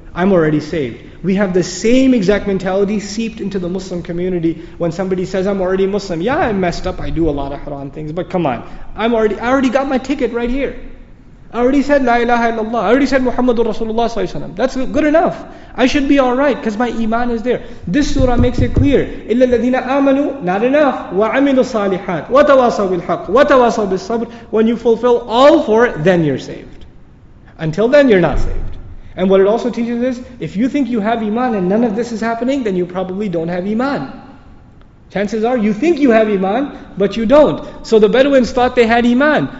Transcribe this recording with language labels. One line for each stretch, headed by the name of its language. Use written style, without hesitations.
English: I'm already saved. We have the same exact mentality seeped into the Muslim community when somebody says, I'm already Muslim. Yeah, I messed up. I do a lot of haram things. But come on. I already got my ticket right here. I already said La ilaha illallah. I already said Muhammadur Rasulullah sallallahu alaihi wasallam. That's good enough. I should be alright because my iman is there. This surah makes it clear.
Arabic: إِلَّا الَّذِينَ آمَنُوا,
English: not enough.
Arabic: وَعَمِلُوا الصَّالِحَاتِ وَتَوَاصَوْا بِالْحَقِّ وَتَوَاصَوْا بِالصَّبْرِ.
English: When you fulfill all four, then you're saved. Until then, you're not saved. And what it also teaches is, if you think you have iman and none of this is happening, then you probably don't have iman. Chances are, you think you have iman, but you don't. So the Bedouins thought they had iman.